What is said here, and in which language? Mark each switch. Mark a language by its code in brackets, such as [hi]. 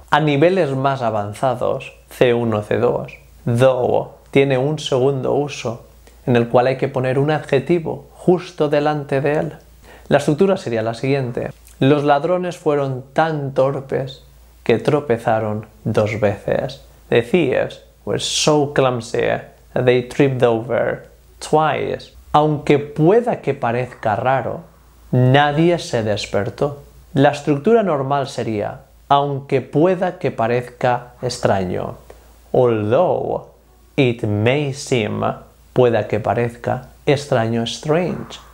[es] A niveles más avanzados, C1, C2, though tiene un segundo uso en el cual hay que poner un adjetivo justo delante de él. La estructura sería la siguiente. Los ladrones fueron tan torpes que tropezaron dos veces. [en] The thieves were so clumsy that they tripped over twice. [es] Aunque pueda que parezca raro, nadie se despertó. La estructura normal sería, aunque pueda que parezca extraño. [en] Although it may seem, [es] pueda que parezca extraño, [en] strange.